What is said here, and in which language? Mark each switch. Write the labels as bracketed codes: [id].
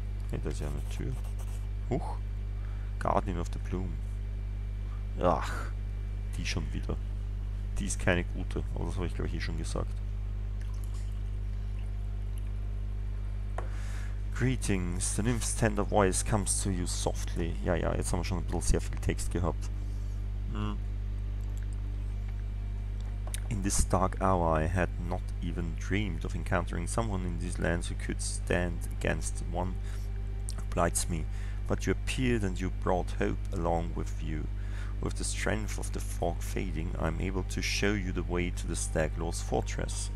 [de] Hey, da ist ja eine Tür. Huch! Guardian of the Bloom. Ach, die schon wieder. Die ist keine gute, aber das habe ich glaube ich hier schon gesagt. [en] Greetings, the nymph's tender voice comes to you softly. [de] Ja, ja, jetzt haben wir schon ein bisschen sehr viel Text gehabt. [en] In this dark hour I had not even dreamed of encountering someone in these lands who could stand against one who blights me. But you appeared and you brought hope along with you. With the strength of the fog fading, I'm able to show you the way to the Staglaw's fortress.